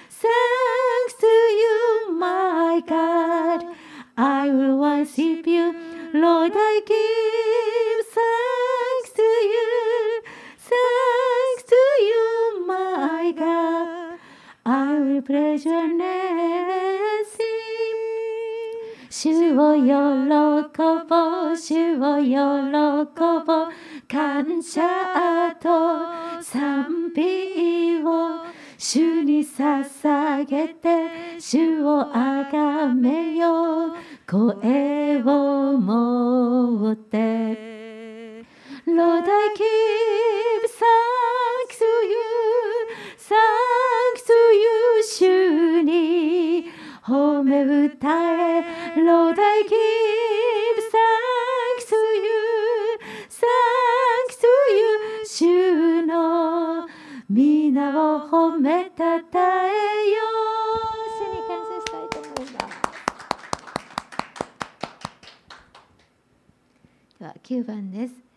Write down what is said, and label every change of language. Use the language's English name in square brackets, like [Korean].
[English] Thanks to you, my God, I will worship you. Lord, I give thanks to you. Thanks to you, my God, I will praise your name and sing. [Japanese] 主を喜ぼう、主を喜ぼう、感謝と賛美を主に捧げて、主をあがめよ、声を持って。 [English] Lord, I give thanks to you, thanks to you, [Japanese] 主に褒め歌え。 [English] Lord, I give thanks to you, thanks to you, [Japanese] 主の皆を褒めたたえよ。主に感謝したいと思います。では9番です。